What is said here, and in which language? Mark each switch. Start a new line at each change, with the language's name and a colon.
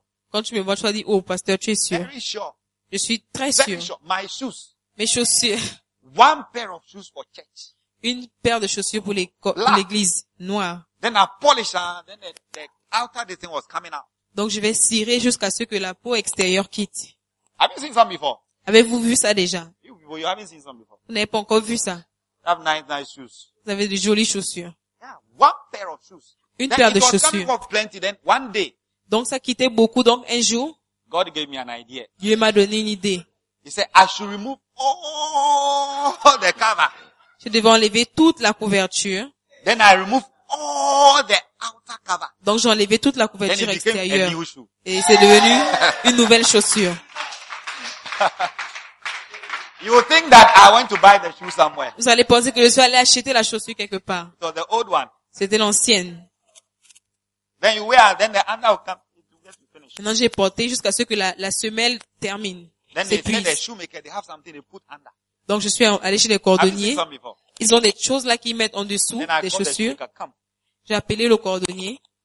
French: Quand tu me vois, tu vas dire, oh, pasteur, tu es sûr? Je suis très sûr. Mes chaussures.
English: One pair of shoes for church.
French: Une paire de chaussures pour l'église noire.
English: Then I polish, then the outer the thing was coming out.
French: Donc je vais cirer jusqu'à ce que la peau extérieure quitte.
English: Have you seen some before?
French: Avez-vous vu ça déjà?
English: You haven't seen some before.
French: Vous n'avez pas encore vu ça.
English: You have nice shoes.
French: Vous avez de jolies chaussures.
English: Yeah, one pair of shoes.
French: Une
English: then
French: paire
English: it
French: de
English: was
French: chaussures.
English: Coming for plenty, then one day.
French: Donc ça quittait beaucoup, donc un jour.
English: God gave me an idea.
French: Dieu m'a donné une idée.
English: He said, I should remove all the cover.
French: Je devais enlever toute la couverture.
English: Then I remove all the outer cover.
French: Donc j'ai enlevé toute la couverture
English: then it became
French: extérieure.
English: A new shoe.
French: Et c'est devenu une nouvelle chaussure.
English: You would think that I went to buy the shoe somewhere.
French: Vous allez penser que je suis allé acheter la chaussure quelque part.
English: So the old one.
French: C'était l'ancienne.
English: Then you wear, then the under will come.
French: Maintenant j'ai porté jusqu'à ce que la semelle termine.
English: Then they tell the shoemaker they have something they put under.
French: Donc je suis allé chez les cordonniers. Ils ont des choses là qu'ils mettent en dessous des chaussures. J'ai appelé le cordonnier.